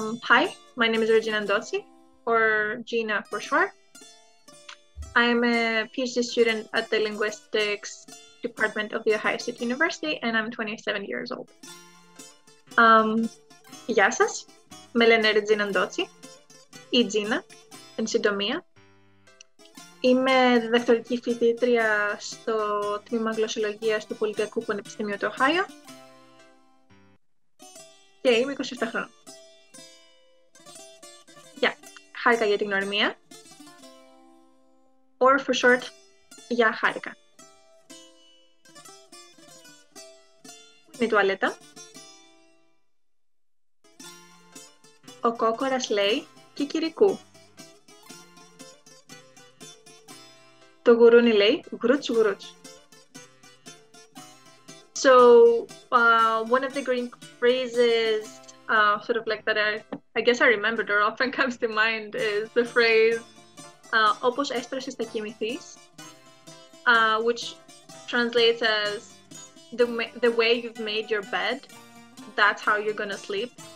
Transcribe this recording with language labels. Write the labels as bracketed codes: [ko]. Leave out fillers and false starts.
[en] Hi, my name is Regina Ndotsi, or Gina for short. I'm a PhD student at the Linguistics Department of The Ohio State University, and I'm 27 years old. [el] Γεια σας. Με λένε Ρετζίνα Ντότσι, ή Τζίνα, εν συντομία. Είμαι διδακτορική φοιτήτρια στο Τμήμα Γλωσσολογίας του Πολιτιακού Πανεπιστημίου του Οχάιο και είμαι 27 χρόνια. Γεια, χάρηκα για την γνωριμία. [en] Or for short, [el] για χάρηκα. Είναι η τουαλέτα. Ο κόκορας λέει κικυρικού. Το γουρούνι λέει γρουτς γρουτς. [en] So, one of the Greek phrases, sort of like that I guess I remembered or often comes to mind is the phrase [el] όπως έσπρασες θα κοιμηθείς, [en] which translates as the way you've made your bed, that's how you're gonna sleep.